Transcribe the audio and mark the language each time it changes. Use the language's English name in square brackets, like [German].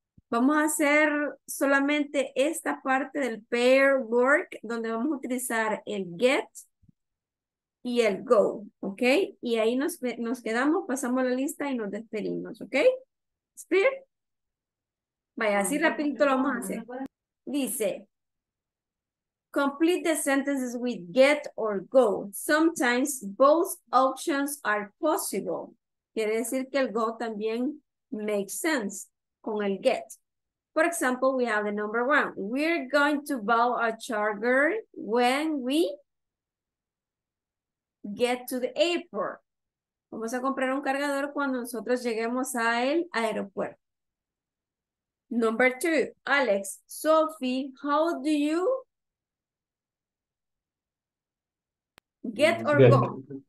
[Spanish] Vamos a hacer solamente esta parte del pair work, donde vamos a utilizar el get y el go, ¿ok? Y ahí nos quedamos, pasamos la lista y nos despedimos, ¿ok? Spear. Vaya, así rapidito lo vamos a hacer. [English] Dice, complete the sentences with get or go. Sometimes both options are possible. [Spanish] Quiere decir que el go también [English] makes sense [Spanish] con el get. [English] For example, we have the number one. We're going to buy a charger when we get to the airport. [Spanish] Vamos a comprar un cargador cuando nosotros lleguemos al aeropuerto. [English] Number two, Alex, Sophie, how do you get or go?